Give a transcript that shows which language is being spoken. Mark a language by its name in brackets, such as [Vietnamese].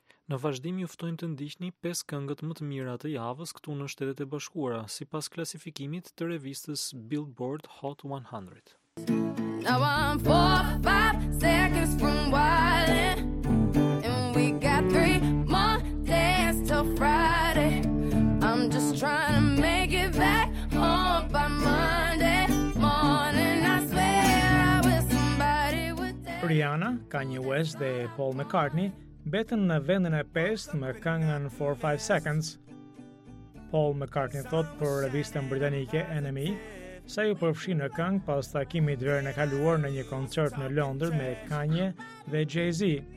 [Albanian] Në vazhdim juftojmë të ndiqni 5 këngët më të mira të javës këtu në Shtetet e Bashkuara, sipas klasifikimit të revistës Billboard Hot 100. [English] Now I'm 4 or 5 seconds from wildin', and we got 3 more days till Friday. I'm just trying to make it back home by Monday morning. I swear I wish somebody would tell. [Albanian] Rihanna, Kanye West dhe Paul McCartney mbetën në vendin e 5 me këngën 4 or 5 seconds. Paul McCartney thot për revistën britanike NME sa ju përfshi në këngë pas takimit verën e kaluar në një koncert në Londër me Kanye dhe Jay-Z.